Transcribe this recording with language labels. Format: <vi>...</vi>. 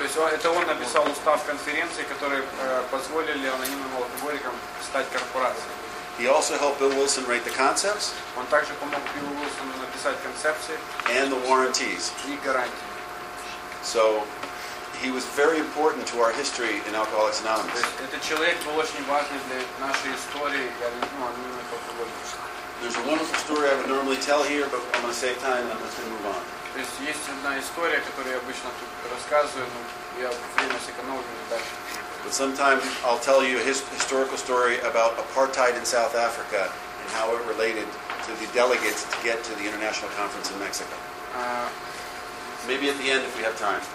<ru>То есть это он написал устав конференции, который позволили анонимным алкоголикам стать корпорацией.</ru> <en>He also helped Bill Wilson write the concepts.</en> <ru>Он также помог Биллу Уилсону написать концепции.</ru> <en>And the warranties.</en> <ru>И гарантии.</ru> <en>So he was very important to our history in Alcoholics Anonymous.</en> <ru>Этот человек был очень важен для нашей истории анонимных алкоголиков.</ru> <en>There's a wonderful story I would normally tell here, but I'm going to save time and let's move on.</en> <ru>То есть есть одна история, которую я обычно тут рассказываю, но я время сэкономлю дальше.</ru> <en>But sometimes I'll tell you a historical story about apartheid in South Africa and how it related to the delegates to get to the international conference in Mexico. Maybe at the end if we have time.</en>